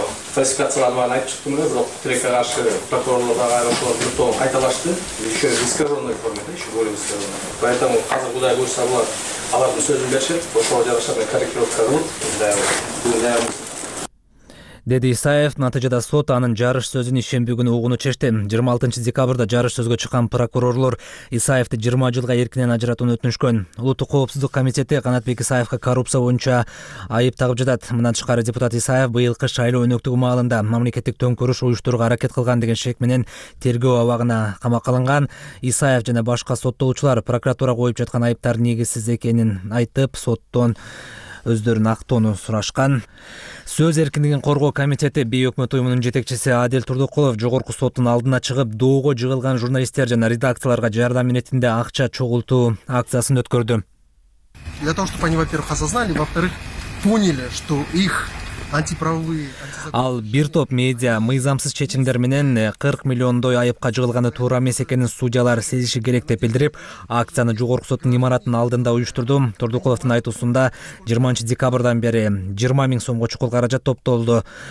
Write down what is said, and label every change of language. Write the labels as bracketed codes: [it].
[ky] Фальсификацияланганын айтып чыктым эле, бирок тилекке каршы прокурорлордагы айрмашылар бир топ кайталашты. [ru] Еще искаженный формат, еще более искаженный. [ky] Поэтому азыр кудай буюрса булар алардын сөзүн беришет, ошого жараша мен корректировка кылып. Деди Исаев. Натыйжада сот анын жарыш сөзүн ишемби күнү угууну чечти. 26 декабрда жарыш сөзгө чыккан прокурорлор Исаевди 20 жылга эркинен ажыратууну өтүнүшкөн. Улуттук коопсуздук комитети Канатбек Исаевка коррупция боюнча айып тагып жатат. Мындан тышкары депутат Исаев быйылкы шайлоо өнөктүгү маалында мамлекеттик төңкөрүш уюштурууга аракет кылган деген шек менен тергөө абагына камакка алынган. Исаев жана башка соттолуучулар прокуратура коюп жаткан айыптар негизсиз экенин айтып, соттон өздөрүн актоону сурашкан. Сөз эркиндигин коргоо комитети бейөкмөт уюмунун жетекчиси Адил Турдукулов жогорку соттун алдына чыгып доого жыгылган журналисттер жана редакцияларга жардам иретинде акча чогултуу акциясын өткөрдү. [ru] Для того чтобы они, во-первых, осознали, во-вторых, поняли, что их антиправовые. [ky] Ал бир топ медиа мыйзамсыз чечимдер менен 40 миллиондой айыпка жыгылганы туура эмес экенин судьялар сезиши керек деп билдирип, акцияны жогорку соттун имаратынын алдында уюштурду. Турдукуловдун айтуусунда 20 декабрдан бери 20 000 сомго чукул каражат топтолду.